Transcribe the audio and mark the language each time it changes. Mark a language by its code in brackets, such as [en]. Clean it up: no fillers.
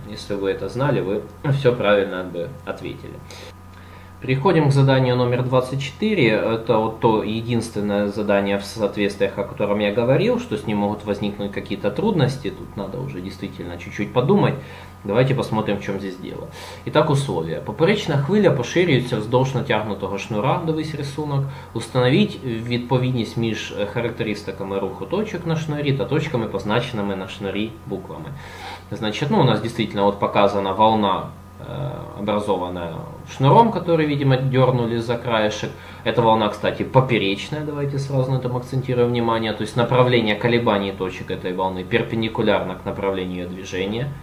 [ru] Если вы это знали, вы все правильно бы ответили. Переходим к заданию номер 24. Это вот то единственное задание в соответствиях, о котором я говорил, что с ним могут возникнуть какие-то трудности. Тут надо уже действительно чуть-чуть подумать. Давайте посмотрим, в чем здесь дело. Итак, условия. [uk] Поперечна хвиля поширюється вздовж натягнутого шнура, дивись рисунок. Установить відповідність між характеристиками руху точек на шнурі та точками, позначеними на шнурі буквами. [ru] Значит, ну у нас действительно вот показана волна, образованная шнуром, который, видимо, дернули за краешек. Эта волна, кстати, поперечная, давайте сразу на этом акцентируем внимание. То есть направление колебаний точек этой волны перпендикулярно к направлению движения.